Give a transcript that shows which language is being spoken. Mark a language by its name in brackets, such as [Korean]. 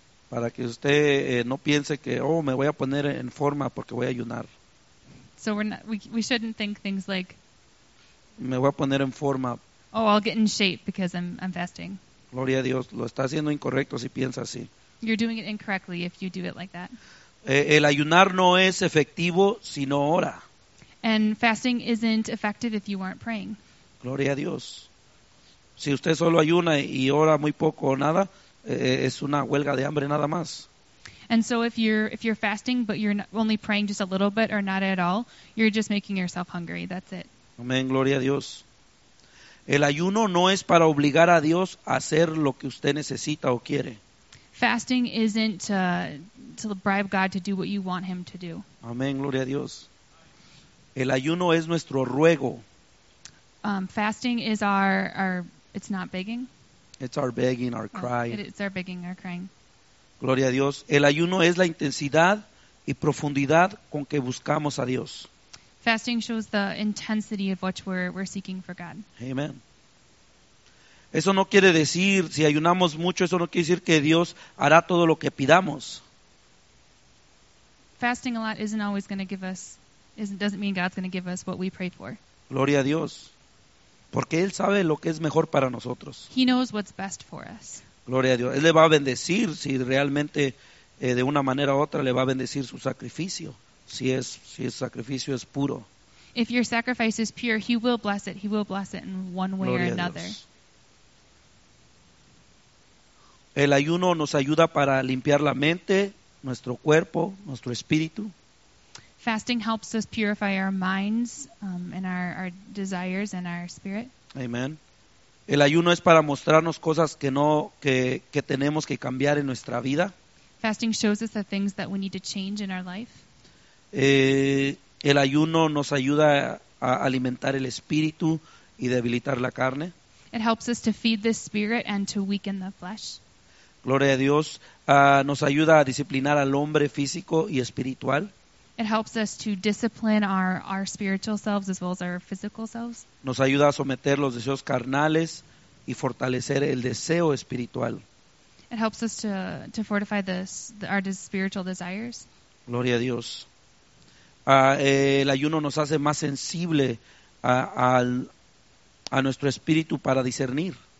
[Spanish] Para que usted no piense que, me voy a poner en forma porque voy a ayunar. [English] So we shouldn't think things like, [Spanish] me voy a poner en forma. [English] Oh, I'll get in shape because I'm fasting. [Spanish] Gloria a Dios, lo está haciendo incorrecto si piensa así. [English] You're doing it incorrectly if you do it like that. [Spanish] El ayunar no es efectivo si no ora. [English] And fasting isn't effective if you aren't praying. [Spanish] Gloria a Dios. Si usted solo ayuna y ora muy poco o nada, es una huelga de hambre nada más. [English] And so if you're fasting but you're not only praying just a little bit or not at all, you're just making yourself hungry. That's it. [Spanish] Amén, gloria a Dios. El ayuno no es para obligar a Dios a hacer lo que usted necesita o quiere. [English] Fasting isn't to bribe God to do what you want him to do. [Spanish] Amén, gloria a Dios. El ayuno es nuestro ruego. [English] Fasting is our it's not begging. It's our begging, our cry. It's our begging, our crying. [Spanish] Gloria a Dios. El ayuno es la intensidad y profundidad con que buscamos a Dios. [English] Fasting shows the intensity of which we're seeking for God. Amen. [Spanish] Eso no quiere decir, si ayunamos mucho, eso no quiere decir que Dios hará todo lo que pidamos. [English] Fasting a lot isn't always going to give us, doesn't mean God's going to give us what we pray for. [Spanish] Gloria a Dios. Porque Él sabe lo que es mejor para nosotros. [English] He knows what's best for us. [Spanish] Gloria a Dios. Él le va a bendecir si realmente de una manera u otra le va a bendecir su sacrificio. Si el sacrificio es puro. [English] If your sacrifice is pure, he will bless it. He will bless it in one way [Spanish] Gloria [English] or another. [Spanish] El ayuno nos ayuda para limpiar la mente, nuestro cuerpo, nuestro espíritu. [English] Fasting helps us purify our minds and our desires and our spirit. Amen. [Spanish] El ayuno es para mostrarnos cosas que tenemos que cambiar en nuestra vida. [English] Fasting shows us the things that we need to change in our life. [Spanish] El ayuno nos ayuda a alimentar el espíritu y debilitar la carne. [English] It helps us to feed the spirit and to weaken the flesh. [Spanish] Gloria a Dios. Nos ayuda a disciplinar al hombre físico y espiritual. [English] It helps us to discipline our spiritual selves as well as our physical selves. [Spanish] Nos ayuda a someter los deseos carnales y fortalecer el deseo espiritual. [English] It helps us to fortify our spiritual desires. [Spanish] Gloria a Dios. El ayuno nos hace más sensible a nuestro espíritu para discernir.